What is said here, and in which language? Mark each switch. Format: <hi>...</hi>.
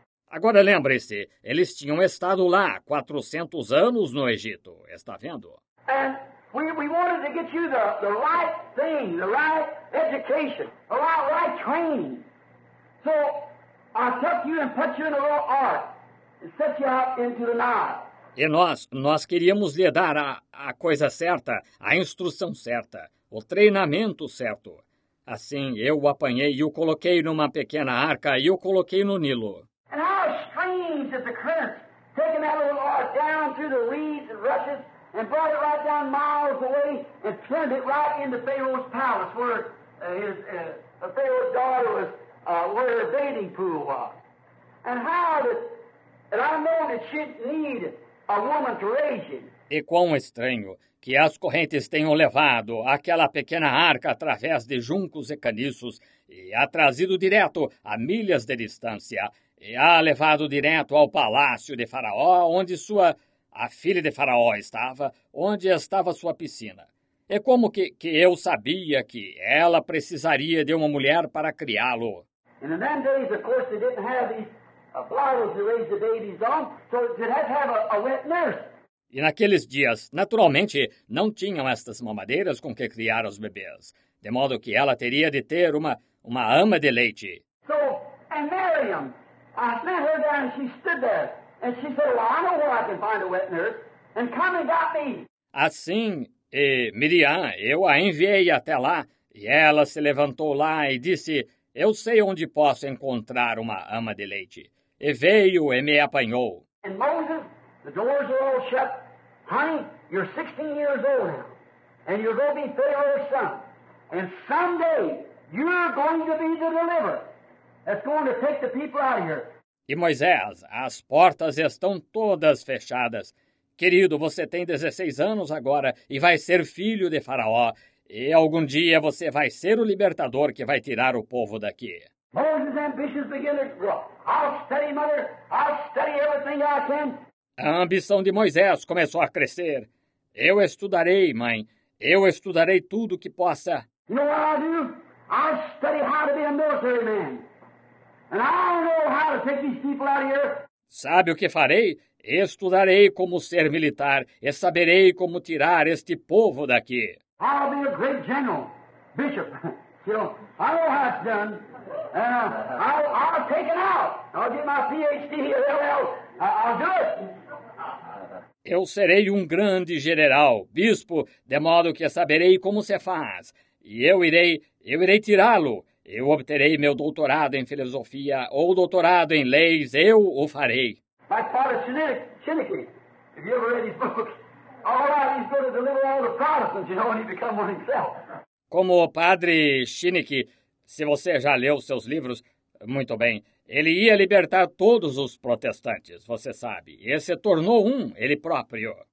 <pt>Agora, lembre-se, eles tinham estado lá 400 anos no Egito. Está vendo?</pt> <en>We wanted to get you the right thing, the right education, the right training. So I took you and put you in a little ark and set you out into the Nile.</en> <pt>E nós queríamos lhe dar a coisa certa, a instrução certa, o treinamento certo. Assim eu o apanhei e o coloquei numa pequena arca e o coloquei no Nilo.</pt> <en>And how strange that the current taking that little ark down through the reeds and rushes and brought it right down miles away and turned it right into Pharaoh's palace where Pharaoh's daughter was. Where the bathing pool was. And how that I know that she'd need a woman to raise him.</en> <pt>E quão estranho que as correntes tenham levado aquela pequena arca através de juncos e caniços e a trazido direto a milhas de distância e a levado direto ao palácio de Faraó, onde a filha de Faraó estava, onde estava sua piscina. E como que eu sabia que ela precisaria de uma mulher para criá-lo?</pt> <en>In the then days, of course, they didn't have these bottles to raise the babies on, so they'd have to have a wet nurse.</en> <pt>E naqueles dias, naturalmente, não tinham estas mamadeiras com que criar os bebês, de modo que ela teria de ter uma ama de leite.</pt> <en>So, and Miriam, I sent her down, and she stood there, and she said, well, I know where I can find a wet nurse, and come and got me.</en> <pt>Assim, e Miriam, eu a enviei até lá, e ela se levantou lá e disse, eu sei onde posso encontrar uma ama de leite. E veio e me apanhou.</pt> <en>And Moses, the doors are all shut. Honey, you're 16 years old now. And you're going to be Pharaoh's son. And someday, you're going to be the deliverer. That's going to take the people out of here.</en> <pt>E Moisés, as portas estão todas fechadas. Querido, você tem 16 anos agora e vai ser filho de Faraó. E algum dia você vai ser o libertador que vai tirar o povo daqui.</pt> <en>Moses' ambitions begin to grow. I'll study, mother. I'll study everything I can.</en> <pt>A ambição de Moisés começou a crescer. Eu estudarei, mãe. Eu estudarei tudo o que possa.</pt> <en>You know what I do? I study how to be a military man. And I know how to take these people out of here.</en> <pt>Sabe o que farei? Estudarei como ser militar e saberei como tirar este povo daqui.</pt> <en>I'll be a great general, bishop. You know, I know how it's done. I'll take it out. I'll get my PhD here. I'll do it.</en> <pt>Eu serei um grande general, bispo, de modo que saberei como se faz. E eu irei tirá-lo. Eu obterei meu doutorado em filosofia ou doutorado em leis. Eu o farei.</pt> <en>My father Shinnicky, have you ever read his books? All right, he's going to deliver all the Protestants, you know, and he become one himself.</en> <pt>Como o padre Shinnicky, se você já leu seus livros, muito bem. Ele ia libertar todos os protestantes, você sabe. E se tornou um, ele próprio.</pt>